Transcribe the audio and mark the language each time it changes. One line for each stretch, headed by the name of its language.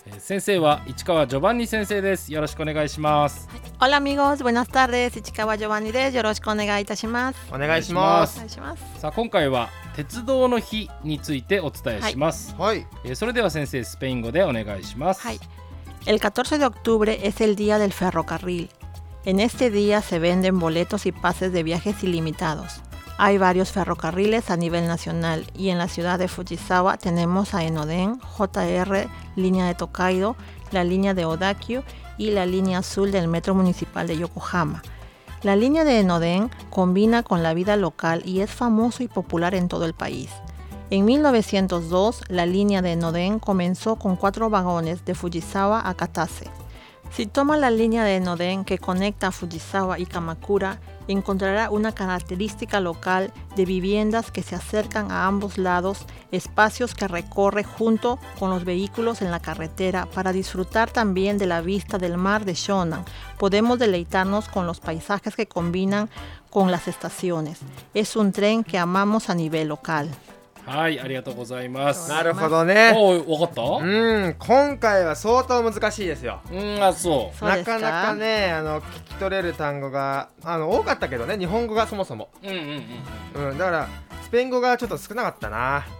Japanese: 先生は市川ジョバンニ先生です。よろしくお願いします。オラミゴス、ブナスタルです。市川ジョバンニです。よろしくお願いいたします。お願いします。さあ、今回は鉄道の日についてお伝えします。はい、それでは先生、スペイン語でお願いします。はい。
Spanish: El 14 de octubre es el día del ferrocarril. En este día se venden boletos y pases de viajes ilimitados. Hay varios ferrocarriles a nivel nacional y en la ciudad de Fujisawa tenemos a Enoden, JR, línea de Tokaido, la línea de Odakyu y la línea azul del metro municipal de Yokohama. La línea de Enoden combina con la vida local y es famoso y popular en todo el país. En 1902, la línea de Enoden comenzó con 4 vagones de Fujisawa a Katase. Si toma la línea de Enoden que conecta a Fujisawa y Kamakura, encontrará una característica local de viviendas que se acercan a ambos lados, espacios que recorre junto con los vehículos en la carretera para disfrutar también de la vista del mar de Shonan. Podemos deleitarnos con los paisajes que combinan con las estaciones. Es un tren que amamos a nivel local.
Japanese: はい、ありがとうございます。なるほどね。お、分かった。うん、今回は相当難しいですよ。うん、あ、そう、なかなかね、あの聞き取れる単語が多かったけどね、日本語がそもそも。うん、うん、うん、うん、だからスペイン語がちょっと少なかったな。